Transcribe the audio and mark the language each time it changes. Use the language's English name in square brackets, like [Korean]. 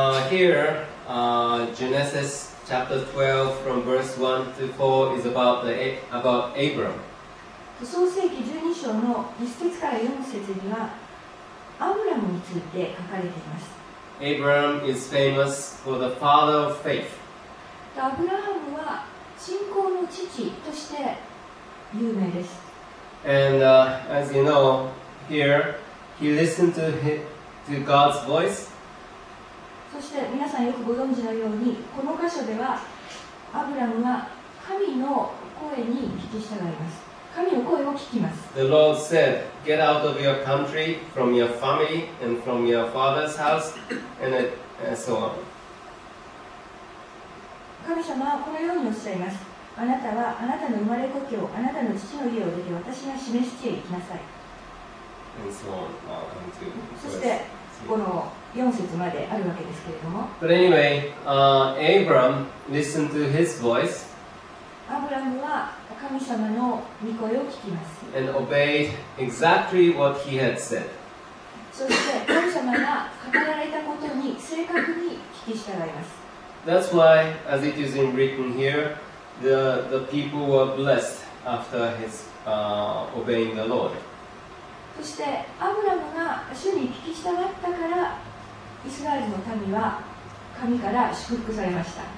[English] Here, Genesis chapter 12 from verse 1 to 4 is about Abram. [Japanese] 創世記12章の1節から4節にはアブラムについて書かれています。 [English] Abram is famous for the father of faith. [Japanese] アブラハムは信仰の父として有名です。 [English] And as you know, here he listened to God's voice. [Japanese] そして皆さんよくご存知のようにこの箇所ではアブラムは神の声に聞き従います。神の声を聞きます。 [English] The Lord said, Get out of your country, from your family, and from your father's house, and so on. [Japanese] 神様はこのようにおっしゃいます。あなたはあなたの生まれ故郷、あなたの父の家を出て私が示しへ行きなさい。 [English] And so on. [Japanese] そしてこの4節まであるわけですけれども。 [English] But anyway, Abram listened to his voice. [Japanese] アブラムは神様の御声を聞きます。 [English] And obeyed exactly what he had said. [Japanese] そして神様が語られたことに正確に聞き従います。 [English] That's why, as it is written here, the people were blessed after his obeying the Lord. [Japanese] そしてアブラムが主に聞き従ったからイスラエルの民は神から祝福されました。